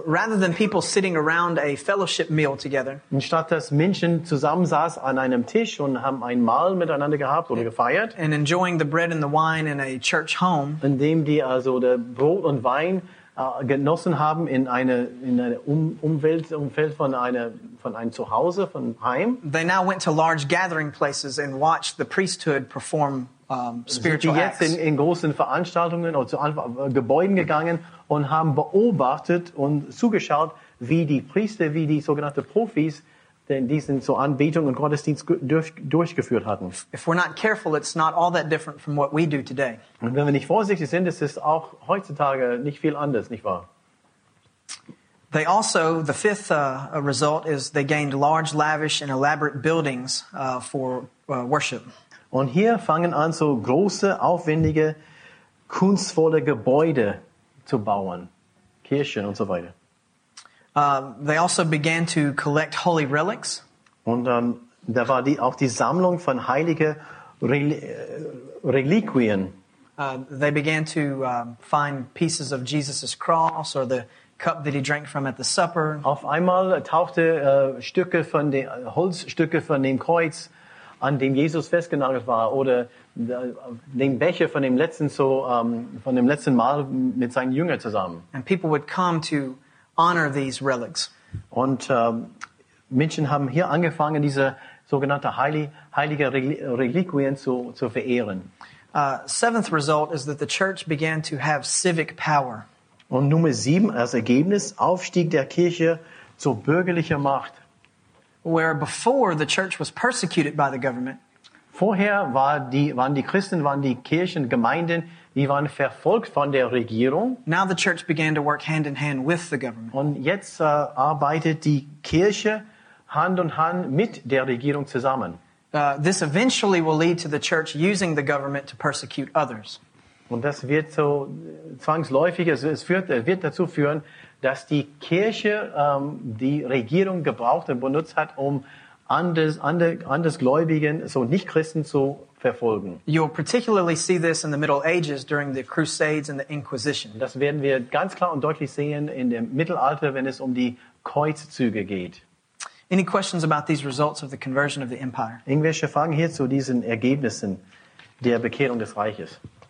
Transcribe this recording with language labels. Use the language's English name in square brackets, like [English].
[English] Rather than people sitting around a fellowship meal together. [German] Anstatt dass Menschen zusammensaßen an einem Tisch und haben ein Mahl miteinander gehabt oder gefeiert. [English] And enjoying the bread and the wine in a church home. [German] Indem die also der Brot und Wein genossen haben in einem Umfeld von einem Zuhause, von Heim. [English] They now went to large gathering places and watched the priesthood perform spiritual acts. [German] Sind jetzt in großen Veranstaltungen oder zu Gebäuden gegangen und haben beobachtet und zugeschaut, wie die Priester, wie die sogenannten Profis, denn diesen zur Anbetung und Gottesdienst durchgeführt hatten. [English] If we're not careful, it's not all that different from what we do today. [German] Und wenn wir nicht vorsichtig sind, ist es auch heutzutage nicht viel anders, nicht wahr? [English] They also, the fifth result is they gained large, lavish and elaborate buildings for worship. [German] Und hier fangen an, so große, aufwendige, kunstvolle Gebäude zu bauen, Kirchen und so weiter. [English] They also began to collect holy relics. [German] Und dann da war auch die Sammlung von heiligen Reliquien. [English] They began to find pieces of Jesus's cross or the cup that he drank from at the supper. [German] Auf einmal tauchte Holzstücke von dem Kreuz, an dem Jesus festgenagelt war, oder den Becher von dem letzten Mal mit seinen Jüngern zusammen. [English] And people would come to honor these relics. [German] Und Menschen haben hier angefangen, diese sogenannte heilige Reliquien zu verehren. [English] Seventh result is that the church began to have civic power. [German] Und Nummer sieben als Ergebnis, Aufstieg der Kirche zur bürgerlichen Macht. [English] Where before the church was persecuted by the government. [German] Vorher waren die Kirchen, Gemeinden, die waren verfolgt von der Regierung. [English] Now the church began to work hand in hand with the government. [German] Und jetzt arbeitet die Kirche Hand in Hand mit der Regierung zusammen. [English] This eventually will lead to the church using the government to persecute others. [German] Und das wird so zwangsläufig, es wird dazu führen, dass die Kirche die Regierung gebraucht und benutzt hat, um Andersgläubigen, so Nichtchristen zu verfolgen. [English] You'll particularly see this in the Middle Ages during the Crusades and the Inquisition. [German] Das werden wir ganz klar und deutlich sehen in dem Mittelalter, wenn es um die Kreuzzüge geht. [English] Any questions about these results of the conversion of the empire? [German] Irgendwelche Fragen hier zu diesen Ergebnissen der Bekehrung des Reiches?